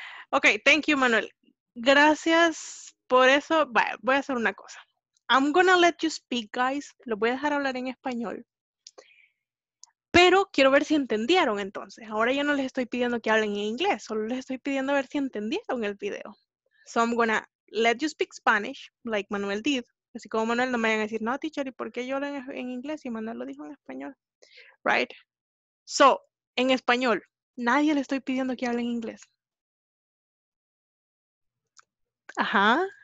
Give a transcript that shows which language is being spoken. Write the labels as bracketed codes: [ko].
[en] Ok, thank you, Manuel. [es] Gracias por eso. Vale, voy a hacer una cosa. [en] I'm gonna let you speak, guys. [es] Lo voy a dejar hablar en español. Pero quiero ver si entendieron entonces. Ahora ya no les estoy pidiendo que hablen en inglés. Solo les estoy pidiendo ver si entendieron el video. [en] So I'm gonna let you speak Spanish, like Manuel did. [es] Así como Manuel, no me vayan a decir, no, teacher, ¿y por qué yo hablo en inglés? Y Manuel lo dijo en español. Right? So, en español, nadie le estoy pidiendo que hable en inglés. Ajá.